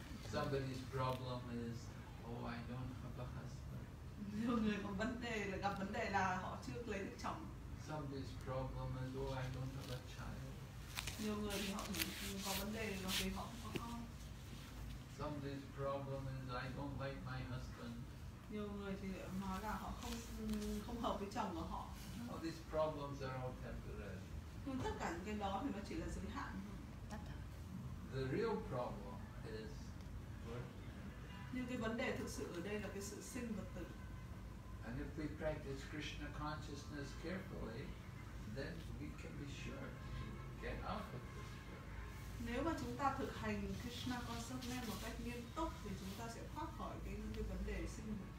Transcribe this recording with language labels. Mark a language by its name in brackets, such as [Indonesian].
[English] somebody's problem is, "Oh, I don't have a husband." [Vietnamese] Nhiều người có gặp vấn đề là họ chưa lấy được chồng. [English] Somebody's problem is, "Oh, I don't have a child." [Vietnamese] Nhiều người thì họ có vấn đề là vì họ không có con. [English] Somebody's problem is, "I don't like my husband." [Vietnamese] Nhiều người thì nói là họ không hợp với chồng của họ. [English] All these problems are all temporary. [Vietnamese] Nhưng tất cả những cái đó thì nó chỉ là giới hạn. [English] The real problem is birth. [Vietnamese] Nhưng cái vấn đề thực sự ở đây là cái sự sinh và tử. [English] And if we practice Krishna consciousness carefully, then we can be sure to get out of this world. [Vietnamese] Nếu mà chúng ta thực hành Krishna consciousness một cách nghiêm túc thì chúng ta sẽ thoát khỏi cái vấn đề sinh.